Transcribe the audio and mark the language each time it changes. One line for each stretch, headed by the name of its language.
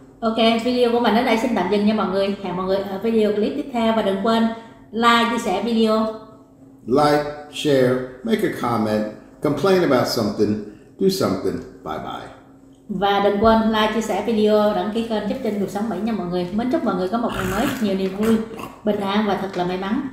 Vietnamese: Okay, video của mình đến đây xin tạm dừng nha mọi người. Hẹn mọi người ở video clip tiếp theo và đừng quên like, chia sẻ video.
English: Like, share, make a comment, complain about something, do something. Bye bye.
Vietnamese: Và đừng quên like, chia sẻ video, đăng ký kênh Giúp Trinh Cuộc Sống Mỹ nha mọi người. Mến chúc mọi người có một ngày mới, nhiều niềm vui, bình an và thật là may mắn.